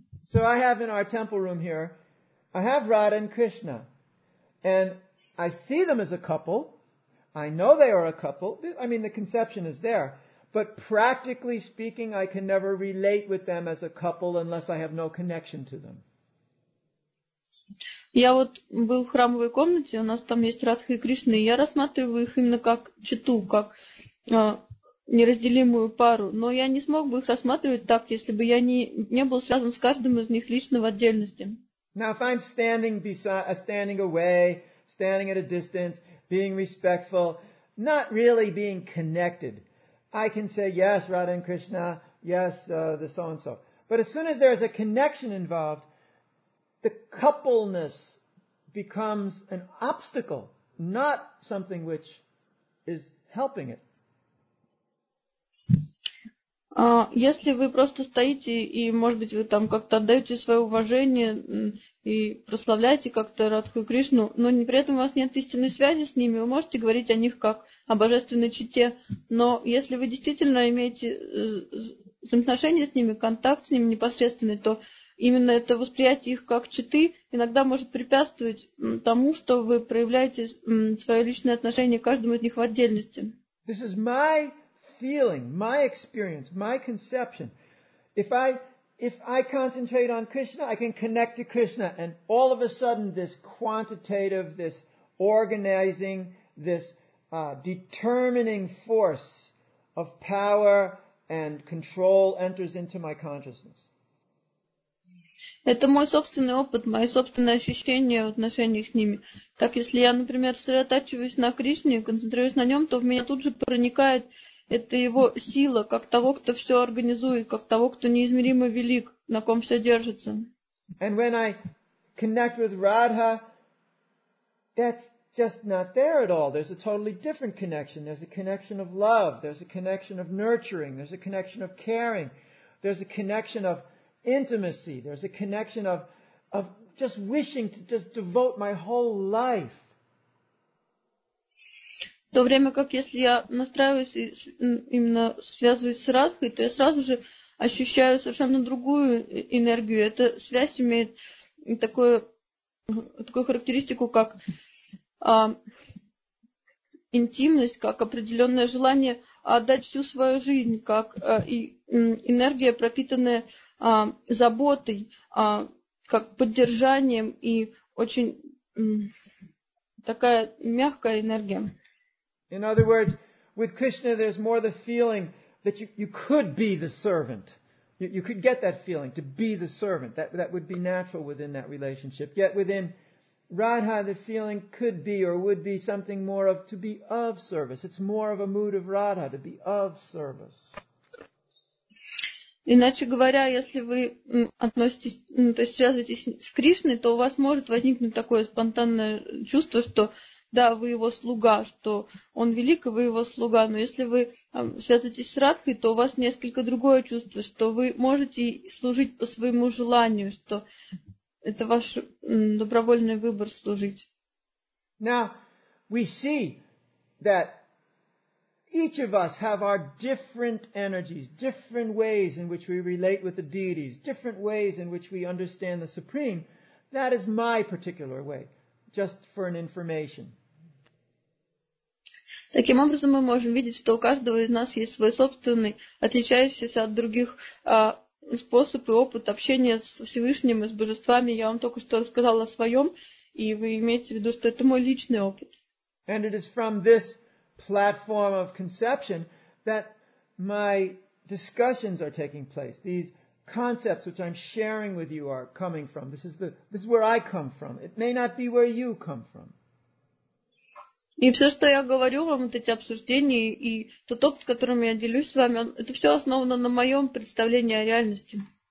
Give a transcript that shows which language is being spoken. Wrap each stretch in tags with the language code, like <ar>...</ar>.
<en>So I have in our temple room here, I have Radha and Krishna. And I see them as a couple. I know they are a couple. I mean, the conception is there. But practically speaking, I can never relate with them as a couple unless I have no connection to them.</en> <ru>Я вот был в храмовой комнате, у нас там есть Радха и Кришна, и я рассматриваю их именно как читу, как неразделимую пару. Но я не смог бы их рассматривать так, если бы я не был связан с каждым из них лично в отдельности.</ru> <en>Now, if I'm standing at a distance, being respectful, not really being connected, I can say, yes, Radha and Krishna, yes, the so-and-so. But as soon as there is a connection involved, the coupleness becomes an obstacle, not something which is helping it.</en> <ru>Если вы просто стоите и, может быть, вы там как-то отдаете свое уважение и прославляете как-то Радху и Кришну, но при этом у вас нет истинной связи с ними, вы можете говорить о них как о божественной чите. Но если вы действительно имеете взаимоотношения с ними, контакт с ними непосредственный, то именно это восприятие их как читы иногда может препятствовать тому, что вы проявляете свое личное отношение к каждому из них в отдельности.</ru> <en>This is my feeling, my experience, my conception. If I concentrate on Krishna, I can connect to Krishna, and all of a sudden this quantitative, this organizing this determining force of power and control enters into my consciousness.</en> <ru>Это мой собственный опыт, мои собственные ощущения в отношениях с ними. Так, если я, например, сосредотачиваюсь на Кришне, концентрируюсь на нем, то в меня тут же проникает эта его сила, как того, кто все организует, как того, кто неизмеримо велик, на ком все держится.</ru> <en>And when I connect with Radha, that's just not there at all. There's a totally different connection. There's a connection of love. There's a connection of nurturing. There's a connection of caring. There's a connection of intimacy. There's a connection of just wishing to just devote my whole life.</en> <ru>В то время как если я настраиваюсь и именно связываюсь с Радхой, то я сразу же ощущаю совершенно другую энергию. Эта связь имеет такую характеристику, как интимность, как определенное желание отдать всю свою жизнь, как энергия, пропитанная заботой, как поддержанием и очень такая мягкая энергия.</ru> <en>In other words, with Krishna there's more the feeling that you could be the servant. You could get that feeling to be the servant. That would be natural within that relationship. Yet within Radha, the feeling could be or would be something more of to be of service. It's more of a mood of Radha, to be of service.</en> <ru>Иначе говоря, если вы относитесь, то есть связываетесь с Кришной, то у вас может возникнуть такое спонтанное чувство, что да, вы его слуга, что он велик, и вы его слуга. Но если вы связываетесь с Радхой, то у вас несколько другое чувство, что вы можете служить по своему желанию, что это ваш добровольный выбор служить.</ru> <en>Now, we see that each of us have our different energies, different ways in which we relate with the deities, different ways in which we understand the Supreme. That is my particular way, just for an information.</en> <ru>Таким образом, мы можем видеть, что у каждого из нас есть свой собственный, отличающийся от других способ и опыт общения с Всевышним и с Божествами. Я вам только что рассказала о своем, и вы имеете в виду, что это мой личный опыт.</ru> <en>And it is from this platform of conception that my discussions are taking place. These concepts, which I'm sharing with you, are coming from. This is where I come from. It may not be where you come from.</en> <ru>И все, что я говорю вам, вот эти обсуждения и тот опыт, которым я делюсь с вами, это все основано на моем представлении о реальности.</ru>